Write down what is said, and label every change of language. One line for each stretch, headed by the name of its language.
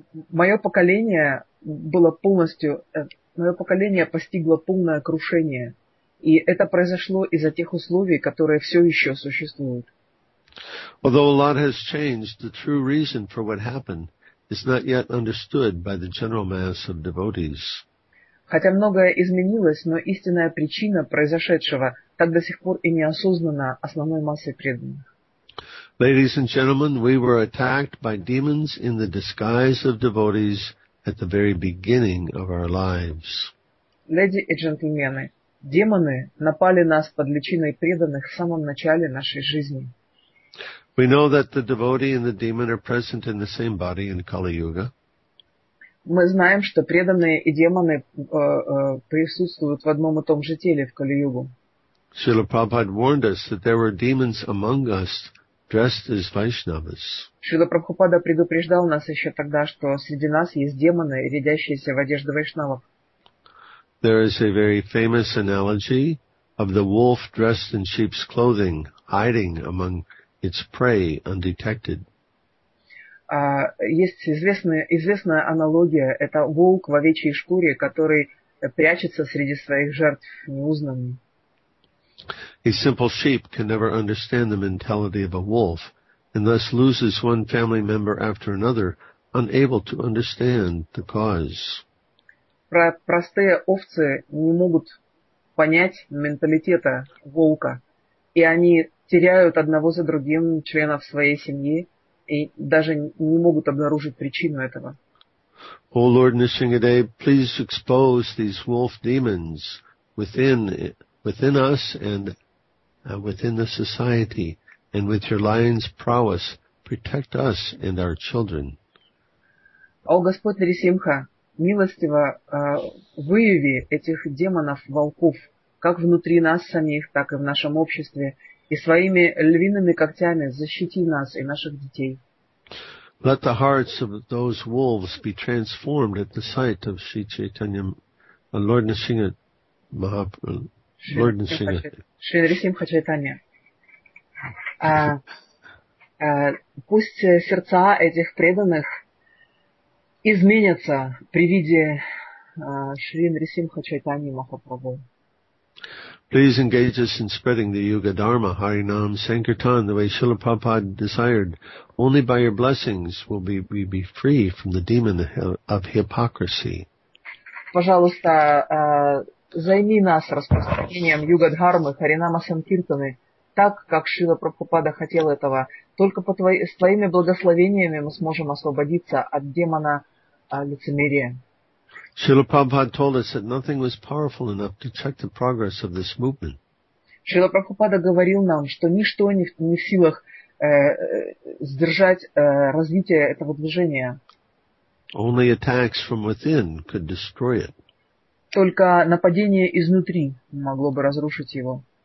Russian: Мое поколение было полностью, мое поколение постигло полное крушение. И это произошло из-за тех условий, которые все еще существуют.
English: Although a lot has changed, the true reason for what happened is not yet understood by the general mass of devotees.
Russian: Хотя многое изменилось, но истинная причина произошедшего так до сих пор и не осознана основной массой преданных.
English: Ladies and gentlemen, we were attacked by demons in the disguise of devotees at the very beginning of our lives.
Russian: Леди и джентльмены, демоны напали нас под личиной преданных в самом начале нашей жизни.
English: We know that the devotee and the demon are present in the same body in Kali-Yuga.
Russian: Мы знаем, что преданные и демоны присутствуют в одном и том же теле в Кали-Югу.
English: Srila Prabhupada warned us that there were demons among us dressed as Vaishnavas.
Russian: Srila Prabhupada предупреждал нас еще тогда, что среди нас есть демоны, рядящиеся в одежды вайшнавов.
English: There is a very famous analogy of the wolf dressed in sheep's clothing, hiding among its prey undetected.
Russian: Есть известная аналогия. Это волк в овечьей шкуре, который прячется среди своих жертв неузнанным.
English: A simple sheep can never understand the mentality of a wolf, and thus loses one family member after another, unable to understand the cause.
Russian: Простые овцы не могут понять менталитета волка, и они теряют одного за другим членов своей семьи, и даже не могут обнаружить причину этого.
English: O Lord Nrisimhadev, please expose these wolf demons within us and within the society, and with your lion's prowess, protect us and our children.
Russian: О Господь Нрисимха, милостиво выяви этих демонов-волков, как внутри нас самих, так и в нашем обществе, и своими львиными когтями защити нас и наших детей.
English: Let the hearts of those wolves be transformed at the sight of Sri Chaitanya Lord Nrisimha Lord Nrisimha.
Russian: Шри Нрисимха Чайтанья. Пусть сердца этих преданных изменятся при виде Шри Нрисимха Чайтанья Махапрабху.
English: Please engage us in spreading the Yuga Dharma, Harinam, Sankirtan, the way Srila Prabhupada desired. Only by your blessings will we be free from the demon of hypocrisy.
Russian: Пожалуйста, займи нас распространением Юга Дхармы, Харинама Санкиртаны, так, как Шрила Прабхупада хотел этого. Только с твоими благословениями мы сможем освободиться от демона лицемерия.
English: Шрила Прабхупада told us that nothing was powerful enough to check the progress of this movement.
Russian: Шрила Прабхупада говорил нам, что ничто не в силах сдержать развитие этого движения. Only attacks from within could destroy it. Только нападение изнутри могло бы разрушить его.